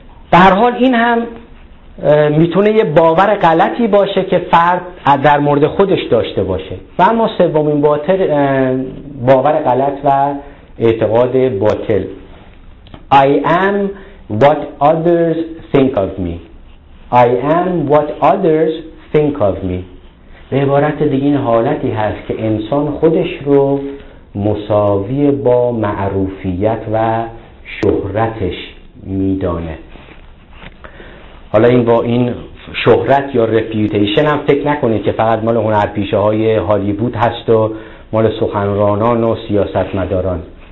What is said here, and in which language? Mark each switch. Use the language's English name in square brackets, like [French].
[Persian] به هر حال این هم میتونه یه باور غلطی باشه که فرد در مورد خودش داشته باشه. و اما سومین باطل، باور غلط و اعتقاد باطل: [English] I am what others think of me. I am what others think of me. [Persian] به عبارت دیگه این حالتی هست که انسان خودش رو مساوی با معروفیت و شهرتش میدانه. حالا این با این شهرت یا رپیوتیشن هم فکر نکنید که فقط مال هنرپیشه های هالیوود هست و مال سخنرانان و سیاستمداران.